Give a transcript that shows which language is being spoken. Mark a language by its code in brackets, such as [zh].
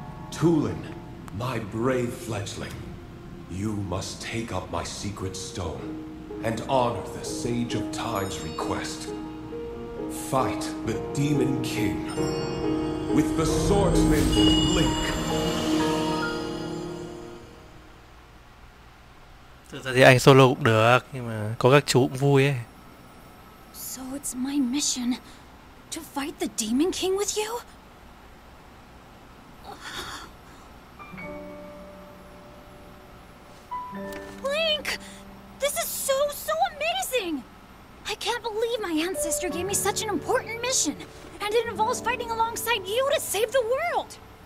[en] Tulin, my brave fledgling, you must take up my secret stone and honor the Sage of Time's request. Fight the Demon King with the swordsman Link. [vi] Thực ra thì anh solo cũng được, nhưng mà có các chú cũng vui ấy. [en] So it's my mission to fight the Demon King with you? Link! This is so amazing! I can't believe my ancestor gave me such an important mission, and it involves fighting alongside you to save the world!